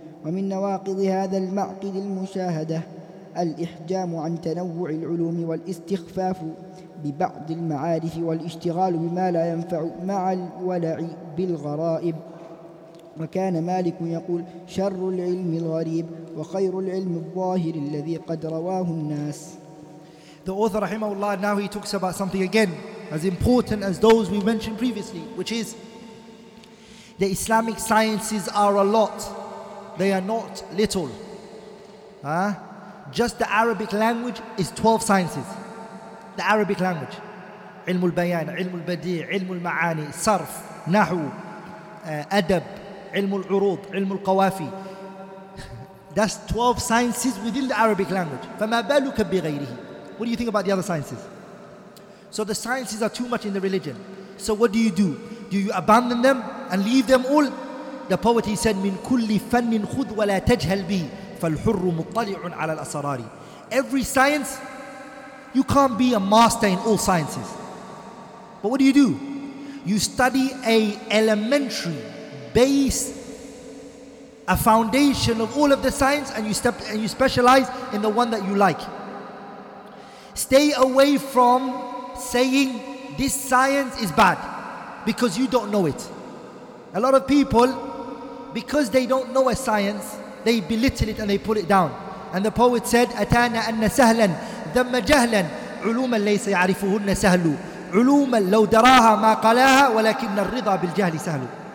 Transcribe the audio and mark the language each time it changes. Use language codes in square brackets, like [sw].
[ar] ومن نواقض هذا المعقد المشاهدة الإحجام عن تنوع العلوم والاستخفاف ببعض المعارف والاشتغال بما لا ينفع مع الولع بالغرائب. وكان مالك يقول: شر العلم الغريب وخير العلم الظاهر الذي قد رواه الناس. [en] The author rahimahullah, now he talks about something again as important as those we mentioned previously, which is the Islamic sciences are a lot. They are not little. Just the Arabic language is 12 sciences. The Arabic language. [ar] علم البيان، علم البديع، علم المعاني، صرف، نحو، أدب، علم العروض، علم القوافي. [en] That's 12 sciences within the Arabic language. [ar] فما بالك بغيره. [en] What do you think about the other sciences? So the sciences are too much in the religion. So what do? Do you abandon them and leave them all? The poet, he said, [ar] من كل فن خذ ولا تجهل بي فالحر مطلع على الأسرار. [en] Every science, you can't be a master in all sciences. But what do? You study a elementary base, a foundation of all of the science, and you specialize in the one that you like. Stay away from saying this science is bad because you don't know it. A lot of people, because they don't know a science, they belittle it and they put it down. And the poet said, [ar] أتانا أن سهلا ذم جهلا علوما ليس يعرفهن سهل علوما لو دراها ما قلاها ولكن الرضا بالجهل سهل.